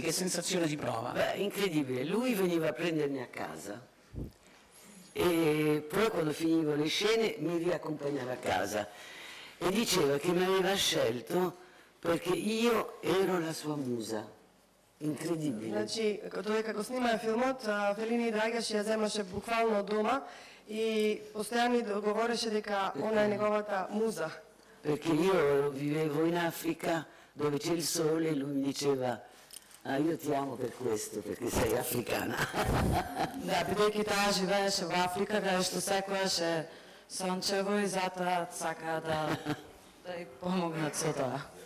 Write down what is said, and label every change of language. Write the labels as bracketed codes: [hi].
[it] Che sensazione si prova? Beh, incredibile. Lui veniva a prendermi a casa. E poi quando finivo le scene mi riaccompagnava a casa. E diceva che mi aveva scelto perché io ero la sua musa. Incredibile. [mk] Значи, додека го снима филмот, Фелини драгаше ја земаше буквално дома и постојано говореше дека она е неговата муза. [it] Perché io vivevo in Africa dove c'è il sole e lui mi diceva "Ah, io ti amo per questo, perché sei africana". [mk] Да, бидејќи таа живееше во Африка, каде што секогаш е сончево и затоа сака да ѝ помогнат со тоа.